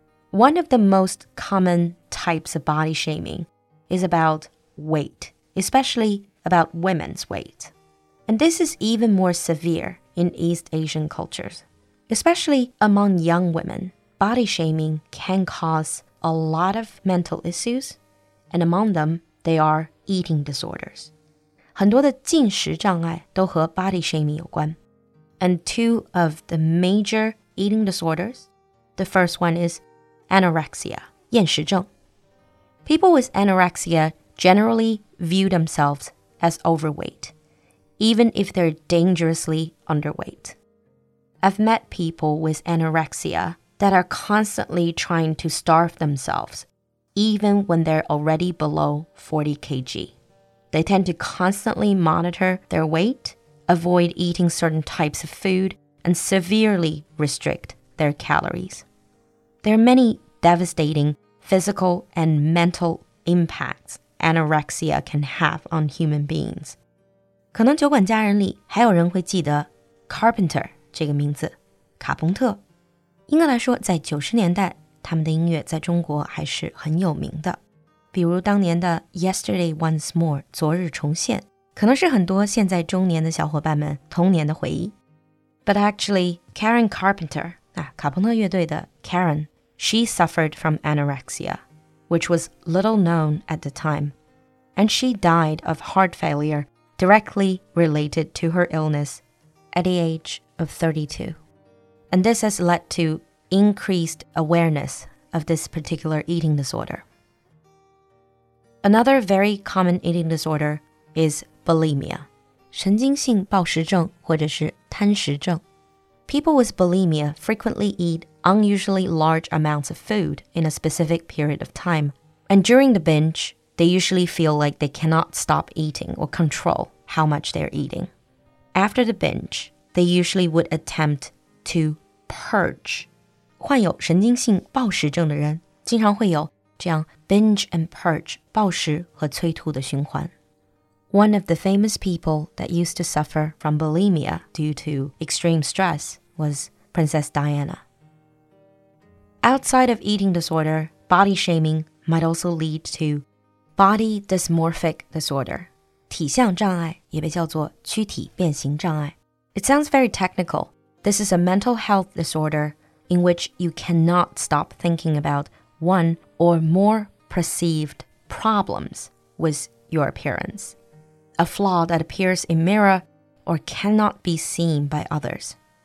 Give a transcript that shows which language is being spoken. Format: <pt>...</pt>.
<en>One of the most common types of body shaming is about weight, especially about women's weight. And this is even more severe in East Asian cultures. Especially among young women, body shaming can cause a lot of mental issues, and among them, they are eating disorders.</en> <zh>很多的进食障碍都和 body shaming 有关。</zh> <en>And two of the major eating disorders, the first one is anorexia,</en> <zh>厌食症。</zh> <en>People with anorexia generally view themselves as overweight.Even if they're dangerously underweight. I've met people with anorexia that are constantly trying to starve themselves, even when they're already below 40 kg. They tend to constantly monitor their weight, avoid eating certain types of food, and severely restrict their calories. There are many devastating physical and mental impacts anorexia can have on human beings.</en> <zh>可能酒馆家人里还有人会记得 Carpenter 这个名字，卡彭特。应该来说，在90年代，他们的音乐在中国还是很有名的。比如当年的 Yesterday Once More 昨日重现，可能是很多现在中年的小伙伴们童年的回忆。</zh> <en>But actually, Karen Carpenter,</en> <zh>卡彭特乐队的 Karen,</zh> <en>she suffered from anorexia, which was little known at the time, and she died of heart failure directly related to her illness at the age of 32. And this has led to increased awareness of this particular eating disorder. Another very common eating disorder is bulimia.</en> <zh>神经性暴食症或者是贪食症。</zh> <en>People with bulimia frequently eat unusually large amounts of food in a specific period of time. And during the binge, they usually feel like they cannot stop eating or control how much they're eating. After the binge, they usually would attempt to purge.</en> <zh>患有神经性暴食症的人经常会有这样 binge and purge, 暴食和催吐的循环。</zh> <en>One of the famous people that used to suffer from bulimia due to extreme stress was Princess Diana. Outside of eating disorder, body shaming might also lead to body dysmorphic disorder.</en> <zh>体相障碍也被叫做躯体变形障碍。</zh> <en>It sounds very technical. This is a mental health disorder in which you cannot stop thinking about one or more perceived problems with your appearance. A flaw that appears in mirror or cannot be seen by others.</en>